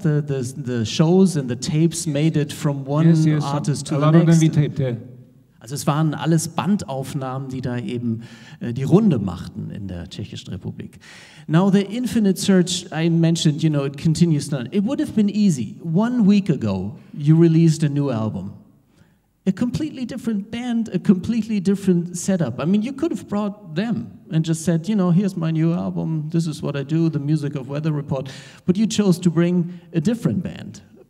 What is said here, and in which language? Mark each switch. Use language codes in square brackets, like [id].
[en] The shows and the tapes made it from one artist to the next. A lot of them we taped, yeah. [de] Also es waren alles Bandaufnahmen, die da eben die Runde machten in der Tschechischen Republik. [en] Now the infinite search, I mentioned, you know, it continues on. It would have been easy. 1 week ago, you released a new album. A completely different band, a completely different setup. I mean, you could have brought them and just said, you know, here's my new album, this is what I do, the music of Weather Report, but you chose to bring a different band.